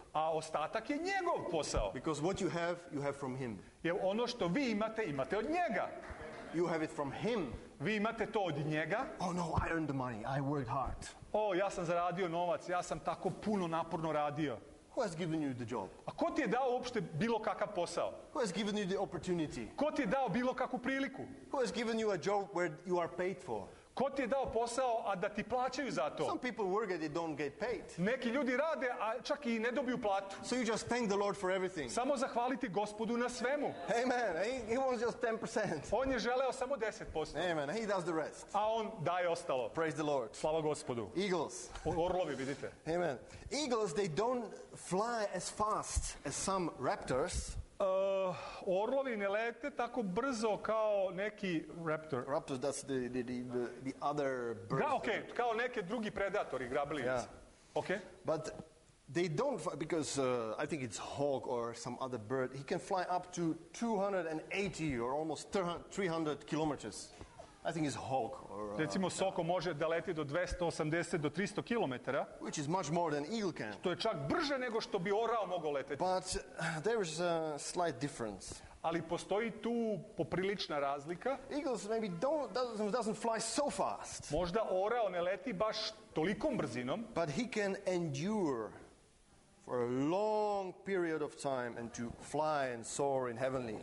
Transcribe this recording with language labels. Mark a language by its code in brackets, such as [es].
[sr] A ostatak je njegov posao. [en] Because what you have from him. [sr] Jer ono što vi imate, imate od njega. [en] You have it from him. [sr] Vi imate to od njega. [en] Oh no, I earned the money. I worked hard. [sr] Oh, ja sam zaradio novac. Ja sam tako puno naporno radio. [en] Who has given you the job? [sr] A ko ti je dao uopšte bilo kakav posao? [en] Who has given you the opportunity? [sr] Ko ti je dao bilo kakvu priliku? [en] Who has given you a job where you are paid for? [sr] Ko ti je dao posao, a da ti plaćaju za to? [en] Some people work and they don't get paid. [sr] Neki ljudi rade, a čak i ne dobiju platu. [en] So you just thank the Lord for everything. [sr] Samo zahvaliti Gospodu na svemu. [en] Amen. He wants just 10%. [sr] On je želeo samo 10%. [en] Amen. He does the rest. [sr] A on daje ostalo. [en] Praise the Lord. [sr] Slava Gospodu. [en] Eagles. [sr] Orlovi, vidite. [en] Amen. Eagles, they don't fly as fast as some raptors. [sr] Orlovi ne lete tako brzo kao neki raptor. [en] Raptors, that's the other bird. [sr] Okay, kao neke drugi predatori, grabljivci. [en] Yeah. Okay. But they don't fly, because I think it's hawk or some other bird. He can fly up to 280 or almost 300 kilometers. I think it's hawk. [sr] Recimo soko može da leti do 280 do 300 kilometara. [en] Which is much more than eagle can. [sr] To je čak brže nego što bi orao mogao leteti. [en] But there is a slight difference. [sr] Ali postoji tu poprilična razlika. [en] Eagles maybe doesn't fly so fast. [sr] Možda orao ne leti baš tolikom brzinom. [en] But he can endure for a long period of time and to fly and soar in heavenlies.